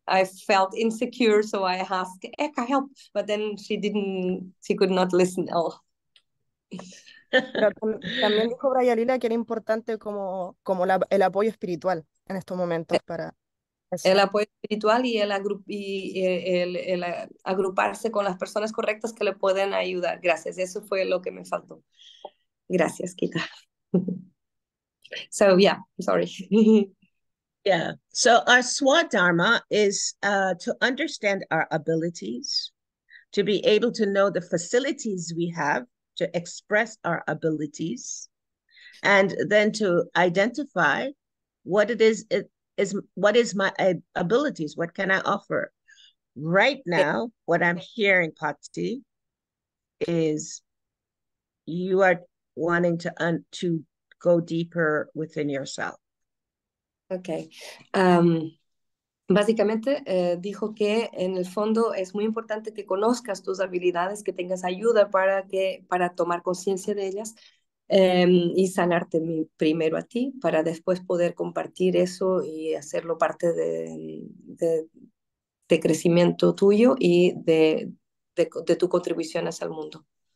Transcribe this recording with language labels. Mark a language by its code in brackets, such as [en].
[en] I felt insecure, so I asked Eka help, but then she could not listen at all. [es] Pero también dijo Vrajalila que era importante como el apoyo espiritual en estos momentos para eso. El apoyo espiritual y el agruparse con las personas correctas que le pueden ayudar. Gracias, eso fue lo que me faltó. Gracias, Kita. [en] So yeah, sorry. Yeah. So our Swadharma is to understand our abilities, to be able to know the facilities we have to express our abilities, and then to identify what is my abilities, what can I offer. Right now, what I'm hearing, Patti, is you are wanting to go deeper within yourself. Okay. [es] Básicamente dijo que en el fondo es muy importante que conozcas tus habilidades, que tengas ayuda para tomar conciencia de ellas y sanarte primero a ti para después poder compartir eso y hacerlo parte de crecimiento tuyo y de tu contribución hacia el mundo.